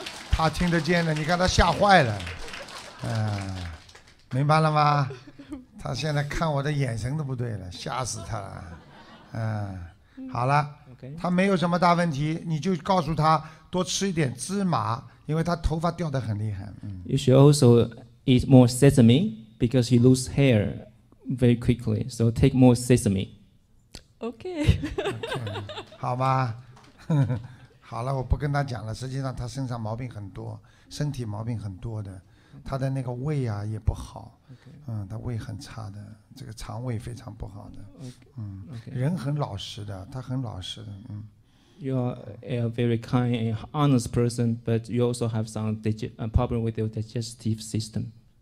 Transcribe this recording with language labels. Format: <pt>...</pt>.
<zh>他听得见的，你看他吓坏了。明白了吗？他现在看我的眼神都不对了，吓死他了。好了。</zh> <en>Okay.</en> <zh>他没有什么大问题，你就告诉他多吃一点芝麻，因为他头发掉得很厉害。</zh> <en>You should also eat more sesame because he loses hair very quickly. So take more sesame. Okay. Okay.</en> <zh>好吧，好了，我不跟他讲了。实际上他身上毛病很多，身体毛病很多的，他的那个胃啊也不好。他胃很差的，这个肠胃非常不好的。</zh> <en>Okay.</en> <zh>人很老实的，他很老实的。</zh> <en>You are a very kind and honest person, but you also have some problem with your digestive system.</en>